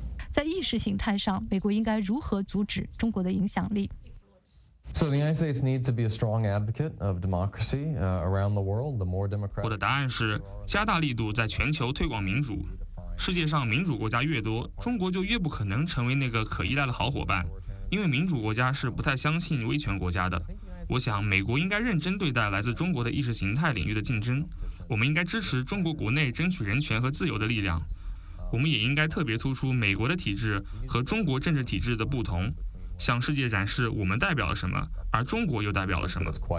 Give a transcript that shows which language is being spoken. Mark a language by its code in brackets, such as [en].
[zh] 在意识形态上，美国应该如何阻止中国的影响力？ [en] So the United States needs to be a strong advocate of democracy around the world. The more democratic. [zh] 我的答案是加大力度在全球推广民主。世界上民主国家越多，中国就越不可能成为那个可依赖的好伙伴，因为民主国家是不太相信威权国家的。我想美国应该认真对待来自中国的意识形态领域的竞争，我们应该支持中国国内争取人权和自由的力量，我们也应该特别突出美国的体制和中国政治体制的不同，向世界展示我们代表了什么，而中国又代表了什么。